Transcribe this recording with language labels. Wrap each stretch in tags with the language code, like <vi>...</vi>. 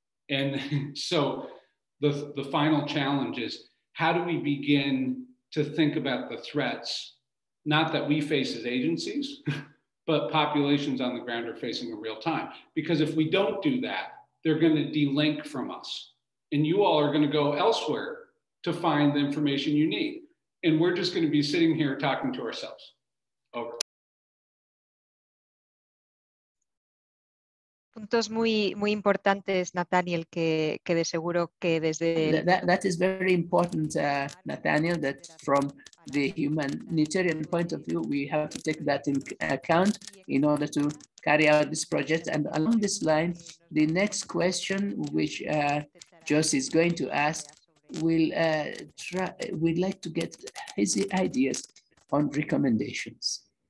<en>And so the final challenge is, how do we begin to think about the threats, not that we face as agencies, but populations on the ground are facing in real time? Because if we don't do that, they're going to delink from us. And you all are going to go elsewhere to find the information you need. And we're just going to be sitting here talking to ourselves. Over.</en> <es>Puntos muy, muy importantes, Nathaniel, que de seguro que desde...</es> <en>That is very important, Nathaniel, that from the humanitarian point of view, we have to take that in account in order to carry out this project. And along this line, the next question, which Jossy is going to ask, we'd like to get his ideas on recommendations.</en>